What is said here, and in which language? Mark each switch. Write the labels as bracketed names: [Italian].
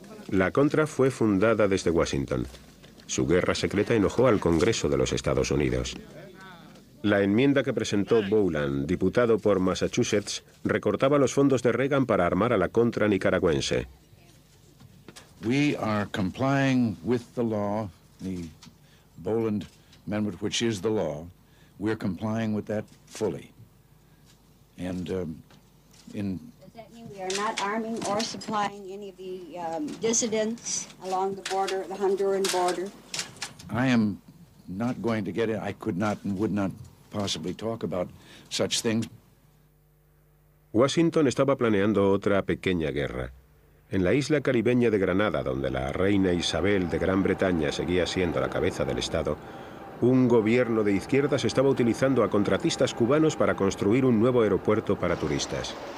[Spanish] La contra fue fundada desde Washington. Su guerra secreta enojó al Congreso de los Estados Unidos. La enmienda que presentó Boland, diputado por Massachusetts, recortaba los fondos de Reagan para armar a la contra nicaragüense. [English] We are complying with the law, the Boland amendment, which is the law. We're complying with that fully. And in We are not arming or supplying any of the dissidents along the border, the Honduran border. I am not going to get it. I could not and would not possibly talk about such things. [Spanish] Washington estaba planeando otra pequeña guerra. En la isla caribeña de Granada, donde la reina Isabel de Gran Bretaña seguía siendo la cabeza del Estado, un gobierno de izquierdas estaba utilizando a contratistas cubanos para construir un nuevo aeropuerto para turistas.